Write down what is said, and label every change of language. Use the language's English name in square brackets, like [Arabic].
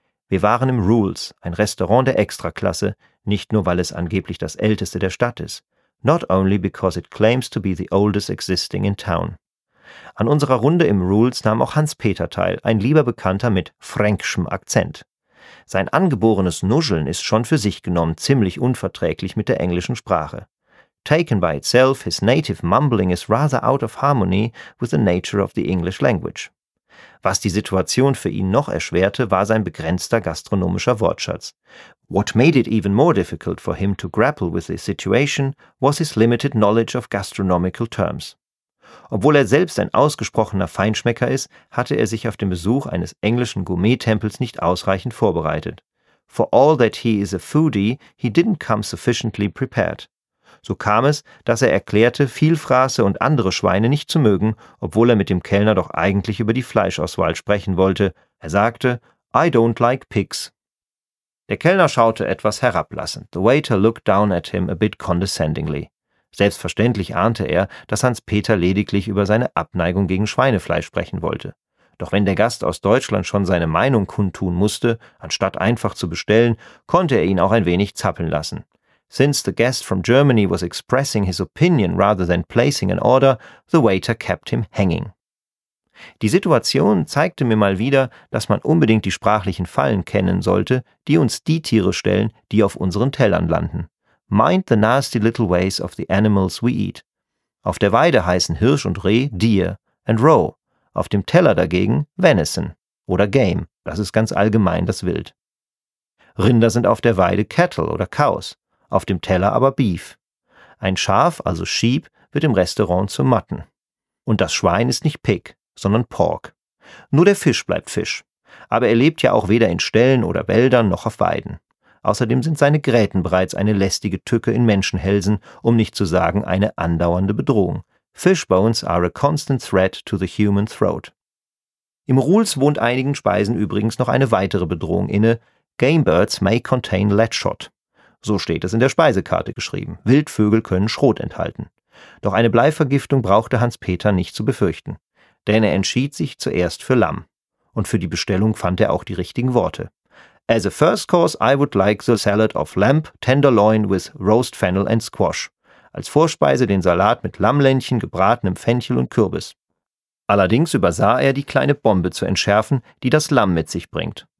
[German] Wir waren im Rules, ein Restaurant der Extraklasse, nicht nur weil es angeblich das älteste der Stadt ist, [English] not only because it claims to be the oldest existing in town. [German] An unserer Runde im Rules nahm auch Hans-Peter teil, ein lieber Bekannter mit fränkischem Akzent. Sein angeborenes Nuscheln ist schon für sich genommen ziemlich unverträglich mit der englischen Sprache. [English] Taken by itself, his native mumbling is rather out of harmony with the nature of the English language. [German] Was die Situation für ihn noch erschwerte, war sein begrenzter gastronomischer Wortschatz. [English] What made it even more difficult for him to grapple with the situation was his limited knowledge of gastronomical terms. [German] Obwohl er selbst ein ausgesprochener Feinschmecker ist, hatte er sich auf den Besuch eines englischen Gourmet-Tempels nicht ausreichend vorbereitet. [English] For all that he is a foodie, he didn't come sufficiently prepared. [German] So kam es, dass er erklärte, Vielfraße und andere Schweine nicht zu mögen, obwohl er mit dem Kellner doch eigentlich über die Fleischauswahl sprechen wollte. Er sagte, [English] I don't like pigs. [German] Der Kellner schaute etwas herablassend. [English] The waiter looked down at him a bit condescendingly. [German] Selbstverständlich ahnte er, dass Hans-Peter lediglich über seine Abneigung gegen Schweinefleisch sprechen wollte. Doch wenn der Gast aus Deutschland schon seine Meinung kundtun musste, anstatt einfach zu bestellen, konnte er ihn auch ein wenig zappeln lassen. [English] Since the guest from Germany was expressing his opinion rather than placing an order, the waiter kept him hanging. [German] Die Situation zeigte mir mal wieder, dass man unbedingt die sprachlichen Fallen kennen sollte, die uns die Tiere stellen, die auf unseren Tellern landen. [English] Mind the nasty little ways of the animals we eat. [German] Auf der Weide heißen Hirsch und Reh [English] Deer and Roe. [German] Auf dem Teller dagegen Venison oder Game. Das ist ganz allgemein das Wild. Rinder sind auf der Weide Cattle oder Cows. Auf dem Teller aber Beef. Ein Schaf, also Sheep, wird im Restaurant zu Mutton. Und das Schwein ist nicht Pig, sondern Pork. Nur der Fisch bleibt Fisch. Aber er lebt ja auch weder in Ställen oder Wäldern noch auf Weiden. Außerdem sind seine Gräten bereits eine lästige Tücke in Menschenhälsen, um nicht zu sagen eine andauernde Bedrohung. [English] Fishbones are a constant threat to the human throat. [German] Im Rules wohnt einigen Speisen übrigens noch eine weitere Bedrohung inne. [English] Gamebirds may contain leadshot. [German] So steht es in der Speisekarte geschrieben. Wildvögel können Schrot enthalten. Doch eine Bleivergiftung brauchte Hans-Peter nicht zu befürchten. Denn er entschied sich zuerst für Lamm. Und für die Bestellung fand er auch die richtigen Worte. [English] As a first course, I would like the salad of lamb, tenderloin with roast fennel and squash. [German] Als Vorspeise den Salat mit Lammlendchen, gebratenem Fenchel und Kürbis. Allerdings übersah er, die kleine Bombe zu entschärfen, die das Lamm mit sich bringt.